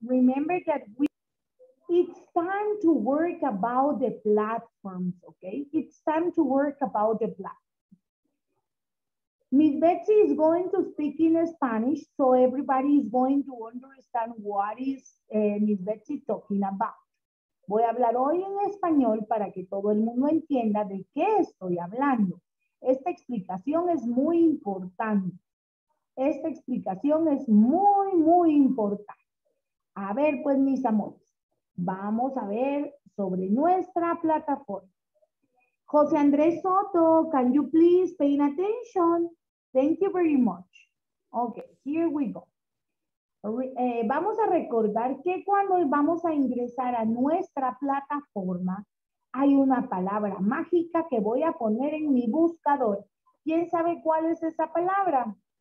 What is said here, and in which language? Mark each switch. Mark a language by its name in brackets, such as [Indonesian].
[English] Remember that it's time to work about the platforms, okay? It's time to work about the platform. Miss Betsy is going to speak in Spanish, so everybody is going to understand what is Miss Betsy talking about. [Spanish] Voy a hablar hoy en español para que todo el mundo entienda de qué estoy hablando. Esta explicación es muy importante. Esta explicación es muy, muy importante. A ver, pues, mis amores, vamos a ver sobre nuestra plataforma. [English] José Andrés Soto, can you please pay attention? Thank you very much. Okay, here we go. [Spanish] Vamos a recordar que cuando vamos a ingresar a nuestra plataforma, hay una palabra mágica que voy a poner en mi buscador. ¿Quién sabe cuál es esa palabra?